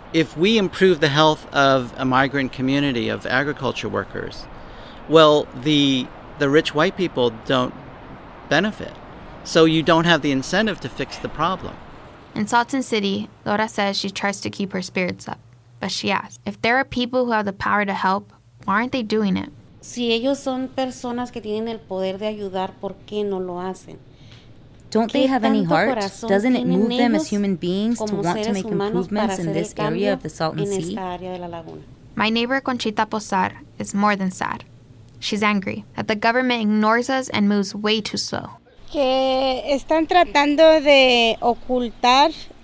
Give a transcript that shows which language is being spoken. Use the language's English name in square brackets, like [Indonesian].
[English] If we improve the health of a migrant community of agriculture workers, well, the rich white people don't benefit. So you don't have the incentive to fix the problem. In Salton City, Laura says she tries to keep her spirits up. But she asks, if there are people who have the power to help, why aren't they doing it? [Spanish] Si ellos son personas que tienen el poder de ayudar, ¿por qué no lo hacen? [English] Don't they have any heart? Doesn't it move them as human beings to want to make improvements in this area of the Salton Sea? My neighbor Conchita Posar is more than sad. She's angry that the government ignores us and moves way too slow. [Spanish] Que están tratando de ocultar.